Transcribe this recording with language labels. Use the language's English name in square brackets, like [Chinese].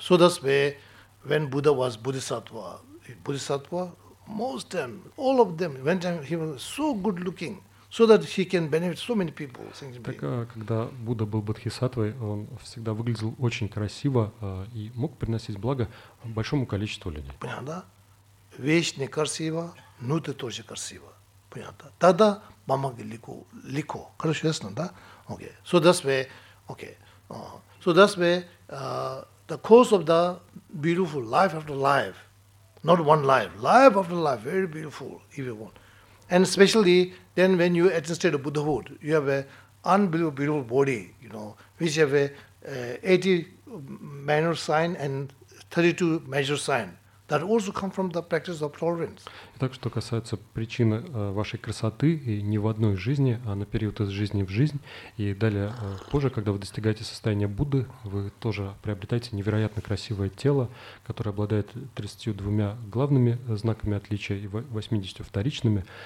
[English] So that's why when Buddha was Bodhisattva, Bodhisattva, most of them, all of them, when he was so good looking, so that he can benefit so many people. [Russian] Так, когда Будда был Бодхисаттвой, он всегда выглядел очень красиво и мог приносить благо большому количеству людей. Понятно, да? Вещь не красива, но ты тоже красива. Понятно. Тогда помогли легко. Хорошо, ясно, да? Окей. [English] So that's why, okay. So that's why the course of the beautiful life after life, not one life, life after life, very beautiful, if you want. And especially then when you attain state of Buddhahood, you have a unbelievable beautiful body, you know, which have a 80 minor sign and 32 major sign. That also come from the practice of tolerance. [Russian] Итак, что касается причины вашей красоты и не в одной жизни, а на период из жизни в жизнь, и далее позже, когда вы достигаете состояния Будды, вы тоже приобретаете невероятно красивое тело, которое обладает 32 главными знаками отличия и 80 вторичными.